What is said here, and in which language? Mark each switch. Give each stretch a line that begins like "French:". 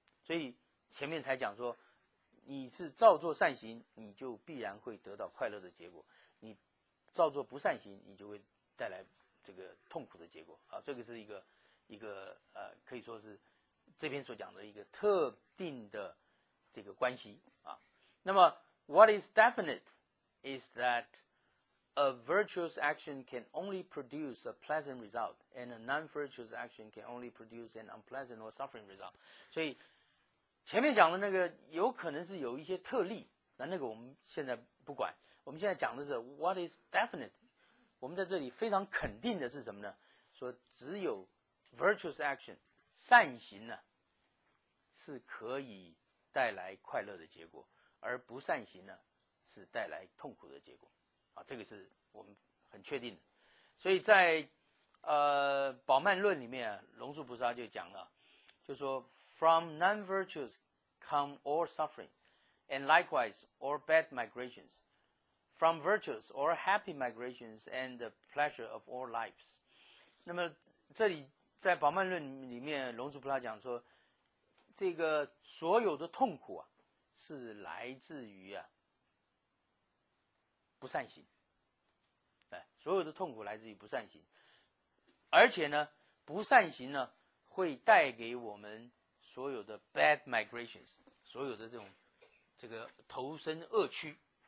Chinese: 所以前面才讲说，你是造作善行，你就必然会得到快乐的结果，你造作不善行，你就会带来这个痛苦的结果啊，这个是一个可以说是这边所讲的一个特定的这个关系啊。那么
English: ，what is definite is that a virtuous action can only produce a pleasant result, and a non-virtuous action can only produce an unpleasant or suffering result.
Chinese: 所以前面讲的那个有可能是有一些特例，那个我们现在不管，我们现在讲的是
English: what is definite。
Chinese: 我们在这里非常肯定的是什么呢？说只有
English: virtuous action
Chinese: 善行呢是可以带来快乐的结果，而不善行呢是带来痛苦的结果啊，这个是我们很确定的。所以在宝曼论里面、啊、龙树菩萨就讲了，就说
English: from non-virtuous come all suffering and likewise all bad migrationsFrom virtues or happy migrations and the pleasure of all lives.
Chinese: 那么这里在宝曼论里面，龙树菩萨讲说，这个所有的痛苦啊，是来自于啊不善行。哎，所有的痛苦来自于不善行，而且呢，不善行呢会带给我们所有的
English: bad migrations，
Chinese: 所有的这种这个投身恶趣。